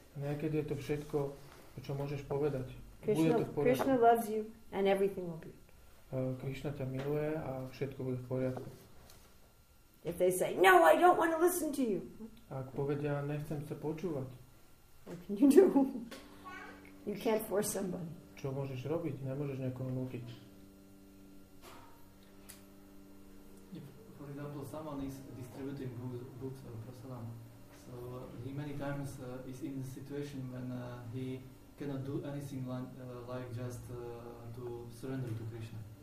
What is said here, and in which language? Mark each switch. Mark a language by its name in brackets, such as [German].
[Slovak] Niekedy je to všetko, čo môžeš povedať. Krishna, bude to v poriadku. [English] Krishna loves you and everything will be okay. [Slovak] Krishna ťa miluje a všetko bude v poriadku. [English] If they say, no, I don't want to listen to you. [Slovak] Ak povedia, nechcem sa počúvať. [English] What can you do? You can't force somebody. [Slovak] Čo môžeš robiť? Nemôžeš niekoho nútiť. [English] For example, someone is distributing books or prasadam. So he many times is in a situation when he cannot do anything like just to surrender to Krishna.